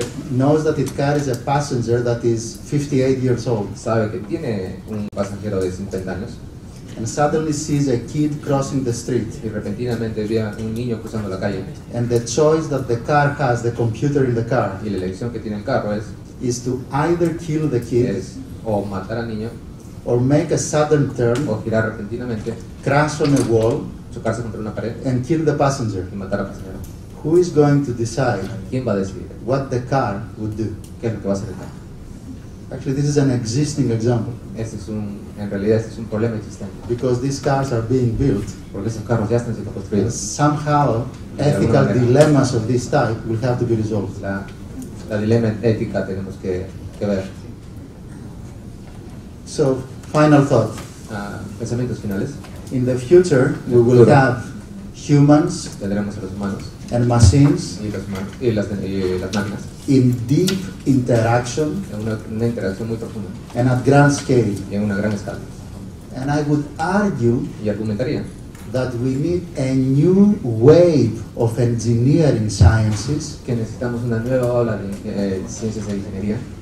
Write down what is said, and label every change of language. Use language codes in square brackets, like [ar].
[en] knows that it carries a passenger that is 58 years old, [es] sabe que tiene un pasajero de 50 años, [en] and suddenly sees a kid crossing the street, [es] y repentinamente ve a un niño cruzando la calle, [en] and the choice that the car has, the computer in the car, [es] y la elección que tiene el carro es, [en] is to either kill the kid, [es] es o matar al niño, [en] or make a sudden turn, [es] o girar repentinamente, [en] crash on a wall, [es] chocarse contra una pared, [en] and kill the passenger, [es] y matar al pasajero. [en] Who is going to decide? [es] ¿Quién va a decidir? [en] What the car would do? [es] ¿Qué es lo que va a hacer el carro? [en] Actually, this is an existing example. [es] En realidad, este es un problema existente. [en] Because these cars are being built. [es] Porque esos carros ya están siendo construidos. [en] And somehow, ethical dilemmas of this type will have to be resolved. [es] La dilema ética tenemos que ver. [en] So, final thought. [es] Pensamientos finales. [en] In the future, we will have humans. [es] Tendremos a los humanos. [en] And machines. [es] Y las máquinas. [en] In deep interaction. [es] En una interacción muy profunda. [en] And at grand scale. [es] Y en una gran escala. [en] And I would argue. [es] Y argumentaría. [en] That we need a new wave of engineering sciences. [es] Que necesitamos una nueva ola de ciencias de ingeniería.